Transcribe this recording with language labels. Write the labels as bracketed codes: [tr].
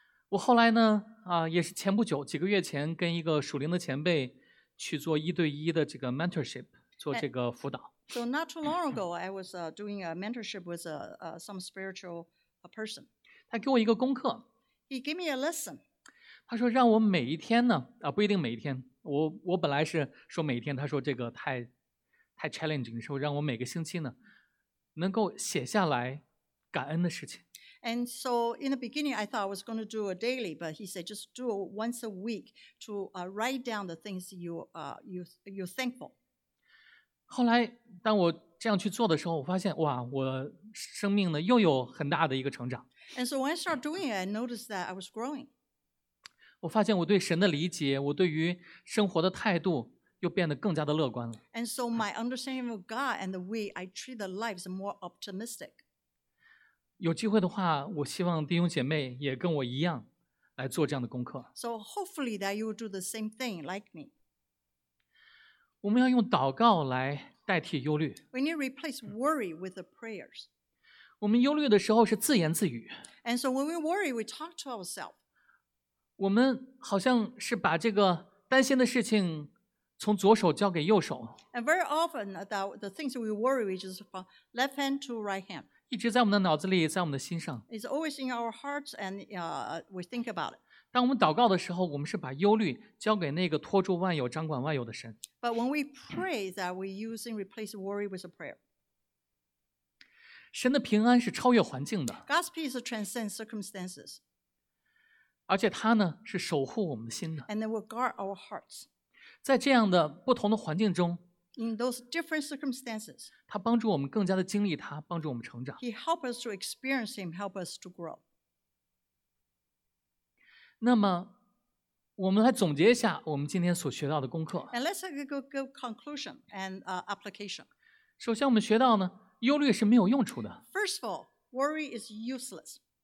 [zh] 我后来呢也是前不久几个月前跟一个属灵的前辈去做一对一的这个 mentorship, 做这个辅导。 [en] So not too long ago, I was doing a mentorship with some spiritual person. [zh] 他给我一个功课。 [en] He gave me a lesson. [zh] 他说让我每一天呢不一定每一天。我本来是说每一天，他说这个太 challenging, 说让我每个星期呢能够写下来感恩的事情。 [en] And so in the beginning, I thought I was going to do a daily, but he said just do it once a week to write down the things you're thankful. [zh] 后来当我这样去做的时候，我发现哇，我生命呢又有很大的一个成长。 [en] And so when I started doing it, I noticed that I was growing. [zh] 我发现我对神的理解，我对于生活的态度又变得更加的乐观了。 [en] And so my understanding of God and the way I treat the lives is more optimistic. [zh] 有机会的话，我希望弟兄姐妹也跟我一样来做这样的功课。 [en] So hopefully that you will do the same thing like me. [zh] 我们要用祷告来代替忧虑。 [en] We need to replace worry with the prayers. [zh] 我们忧虑的时候是自言自语。 [en] And so when we worry, we talk to ourselves. [zh] 我们好像是把这个担心的事情从左手交给右手。 [en] And very often that the things we worry is from left hand to right hand. [zh] 一直在我们的脑子里，在我们的心上。 [en] It's always in our hearts and we think about it. [zh] 当我们祷告的时候，我们是把忧虑交给那个托住万有、掌管万有的神。 [en] But when we pray, that we use and replace worry with a prayer. [zh] 神的平安是超越环境的。 [en] God's peace transcends circumstances. [zh] 而且他呢是守护我们的心的。 [en] And then we guard our hearts. [zh] 在这样的不同的环境中 [en] ，in those different circumstances， [zh] 他帮助我们更加的经历他，帮助我们成长。 [en] He helps us to experience him, help us to grow. [zh] 那么，我们来总结一下我们今天所学到的功课。 [en] And let's have a good conclusion and application. [zh] 首先，我们学到呢，忧虑是没有用处的。 [en] First of all, worry is useless.